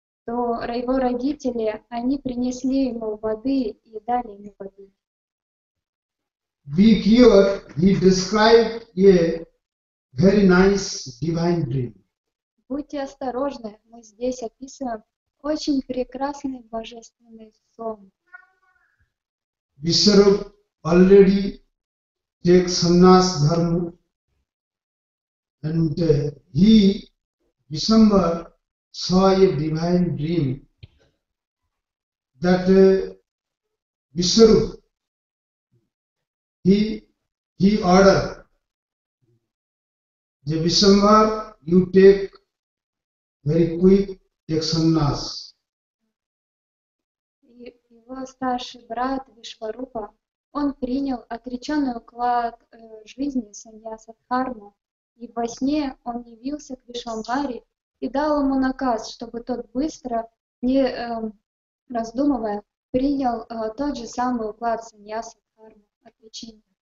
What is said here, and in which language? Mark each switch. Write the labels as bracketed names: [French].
[Russian] то его родители, они принесли ему воды и дали ему воды. [English] We hear he described a very nice divine dream. [Russian] Будьте осторожны, мы здесь описываем очень прекрасный божественный сон. [English] Vishwarup already takes sannyas dharma, and he, Vishwambhar, saw a divine dream that Vishwarup, he ordered the Vishwambhar, you take very quick, take sannyas. [Russian] Его старший брат Вишварупа, он принял отреченный уклад жизни саньяса дхарму, и во сне он явился к Вишвамбаре и дал ему наказ, чтобы тот быстро, не раздумывая, принял тот же самый уклад саньяса дхарму, отречения.